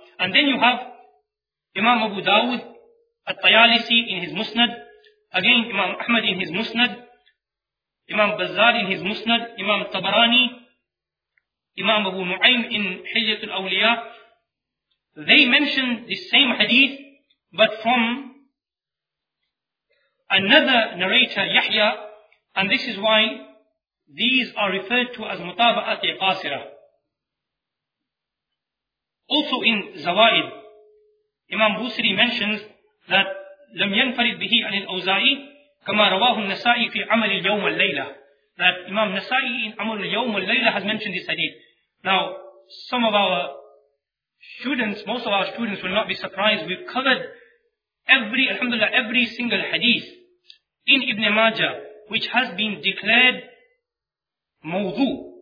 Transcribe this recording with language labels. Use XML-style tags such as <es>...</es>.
<en>And then you have Imam Abu Dawud At-Tayalisi in his Musnad, again Imam Ahmad in his Musnad, Imam Bazzar in his Musnad, Imam Tabarani, Imam Abu Mu'aym in Hilyatul Awliya. They mention the same hadith, but from another narrator, Yahya, and this is why these are referred to as mutaba'at qasira. Also in Zawaid, Imam Busiri mentions that</en> <ar>لم ينفرد به عن الأوزائي كما رواه النسائي في عمل اليوم والليلة.</ar> <en>That Imam Nasa'i in عمل اليوم والليلة has mentioned this hadith. Now, some of our students, most of our students will not be surprised. We've covered every single hadith in Ibn Majah which has been declared موضوع.</en>